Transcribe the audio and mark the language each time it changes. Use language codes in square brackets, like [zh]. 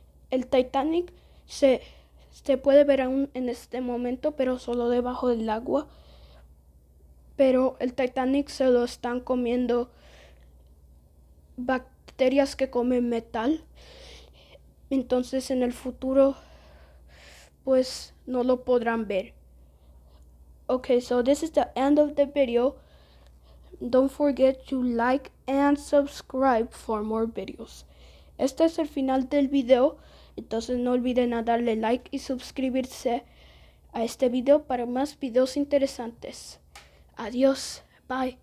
[es] El Titanic se puede ver aún en este momento, pero solo debajo del agua. Pero el Titanic se lo están comiendo bacterias que comen metal. Entonces en el futuro, pues no lo podrán ver. [en] Okay, so this is the end of the video. Don't forget to like and subscribe for more videos. [es] Este es el final del video. Entonces no olviden a darle like y suscribirse a este video para más videos interesantes. Adiós. Bye.